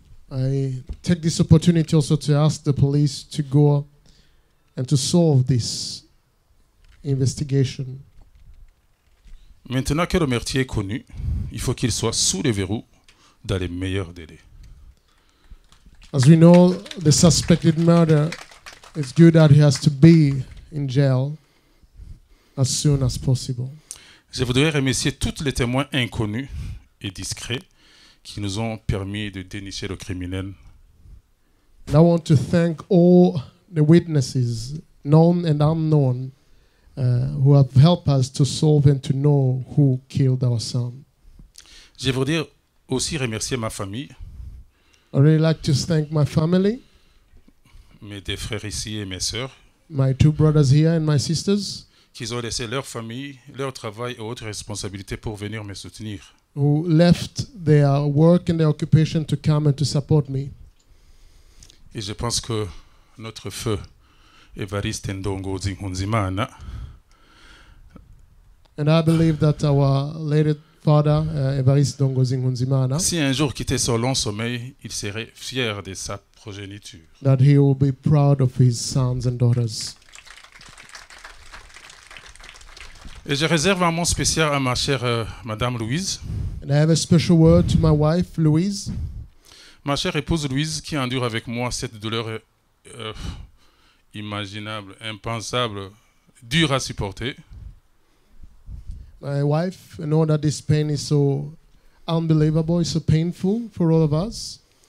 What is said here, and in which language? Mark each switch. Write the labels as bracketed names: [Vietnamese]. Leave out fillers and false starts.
[English] I take this opportunity also to ask the police to go and to solve this investigation. [French] Maintenant que le meurtrier est connu, il faut qu'il soit sous les verrous dans les meilleurs délais. [English] As we know, the suspected murder, it's good that he has to be in jail as soon as possible. [French] Je voudrais remercier tous les témoins inconnus et discrets qui nous ont permis de dénicher le criminel. [English] And I want to thank all the witnesses, known and unknown, who have helped us to solve and to know who killed our son. [French] Je voudrais aussi remercier ma famille. [English] I really like to thank my family. [French] Mes deux frères ici et mes sœurs. [English] My two brothers here and my sisters. [French] Qui ont laissé leur famille, leur travail et autres responsabilités pour venir me soutenir. [English] Who left their work and their occupation to come and to support me. [French] Et je pense que notre feu Evariste Ndongozi Nkunzimana. [English] And I believe that our late father Evariste Ndongozi Nkunzimana. [French] Si un jour quittait son long sommeil, il serait fier de sa progéniture. [English] That he will be proud of his sons and daughters. [French] Et je réserve un mot spécial à ma chère Madame Louise. [English] And I have a special word to my wife, Louise. [French] Ma chère épouse Louise, qui endure avec moi cette douleur imaginable, impensable, dure à supporter. [English] My wife, I know that this pain is so unbelievable, it's so painful for all of us.